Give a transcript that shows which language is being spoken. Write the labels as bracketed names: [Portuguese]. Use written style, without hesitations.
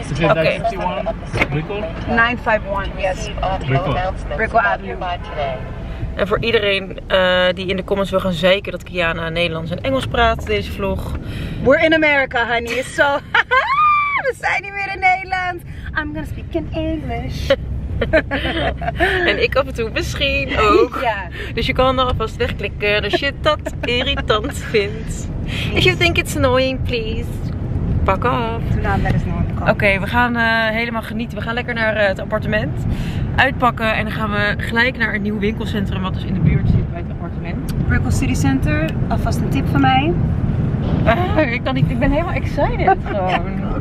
[Dutch] Oké. [English] 951, yes. Brickle. [Dutch] En voor iedereen die in de comments wil gaan zeiken dat Kiana Nederlands en Engels praat deze vlog. [English] We're in America, honey. [Dutch] So, we zijn niet meer in Nederland. [English] I'm gonna speak in English. [Dutch] En ik af en toe misschien ook. Ja. Dus je kan er alvast wegklikken als je dat irritant vindt. [English] If you think it's annoying, please. [Dutch] Pak af. Oké, we gaan helemaal genieten. We gaan lekker naar het appartement uitpakken. En dan gaan we gelijk naar een nieuw winkelcentrum wat dus in de buurt zit bij het appartement. Brickell City Center, alvast een tip van mij. Ik kan niet, ik ben helemaal excited gewoon.